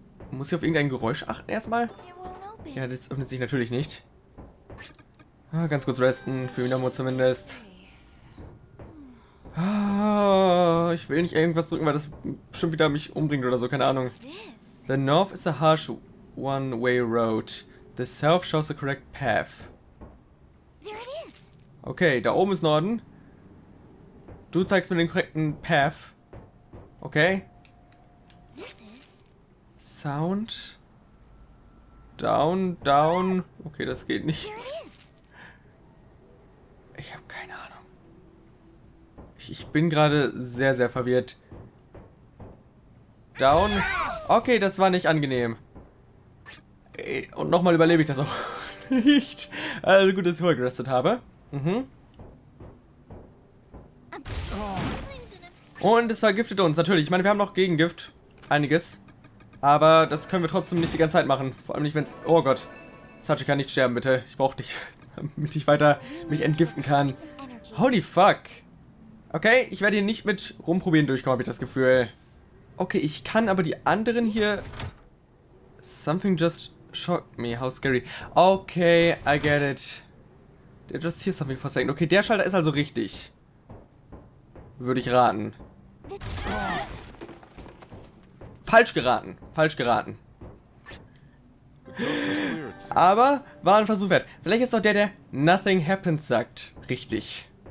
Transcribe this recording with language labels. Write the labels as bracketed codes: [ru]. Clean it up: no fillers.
[de] Muss ich auf irgendein Geräusch achten erstmal? Ja, das öffnet sich natürlich nicht. Ah, ganz kurz resten, für Minamo zumindest. Ah, ich will nicht irgendwas drücken, weil das bestimmt wieder mich umbringt oder so, keine Ahnung. [en] The north is a harsh one-way road. The south shows the correct path. [de] Okay, da oben ist Norden. Du zeigst mir den korrekten Path. Okay. Sound. Down, down. Okay, das geht nicht. Ich habe keine Ahnung. Ich bin gerade sehr, sehr verwirrt. Down. Okay, das war nicht angenehm. Und nochmal überlebe ich das auch nicht. Also gut, dass ich vorgerestet habe. Mhm. Und es vergiftet uns, natürlich. Ich meine, wir haben noch Gegengift. Einiges. Aber das können wir trotzdem nicht die ganze Zeit machen. Vor allem nicht, wenn es... Oh Gott. Sachi kann nicht sterben, bitte. Ich brauche dich, damit ich weiter mich entgiften kann. [en] Holy fuck. [de] Okay, ich werde hier nicht mit rumprobieren durchkommen, habe ich das Gefühl. Okay, ich kann aber die anderen hier... [en] Something just shocked me. How scary. Okay, I get it. They just hear something for a second. [de] Okay, der Schalter ist also richtig. Würde ich raten. Falsch geraten. Falsch geraten. Aber war ein Versuch wert. Vielleicht ist doch der, der Nothing Happens sagt, richtig.